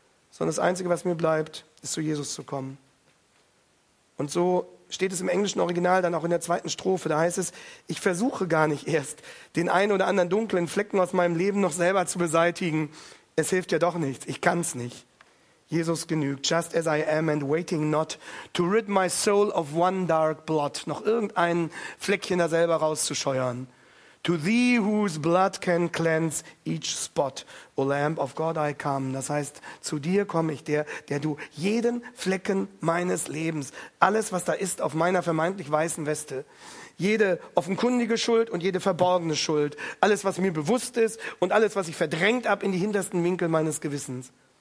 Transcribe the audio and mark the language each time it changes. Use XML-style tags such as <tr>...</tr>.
<de>Sondern das Einzige, was mir bleibt, ist zu Jesus zu kommen. Und so steht es im englischen Original dann auch in der zweiten Strophe. Da heißt es, ich versuche gar nicht erst, den einen oder anderen dunklen Flecken aus meinem Leben noch selber zu beseitigen. Es hilft ja doch nichts. Ich kann's nicht. Jesus genügt.</de> <en>Just as I am and waiting not to rid my soul of one dark blot.</en> <de>Noch irgendein Fleckchen da selber rauszuscheuern.</de> <en>To thee whose blood can cleanse each spot, O Lamb of God, I come.</en> <de>Das heißt, zu dir komme ich, der du jeden Flecken meines Lebens, alles, was da ist auf meiner vermeintlich weißen Weste, jede offenkundige Schuld und jede verborgene Schuld, alles, was mir bewusst ist und alles, was ich verdrängt habe in die hintersten Winkel meines Gewissens.</de>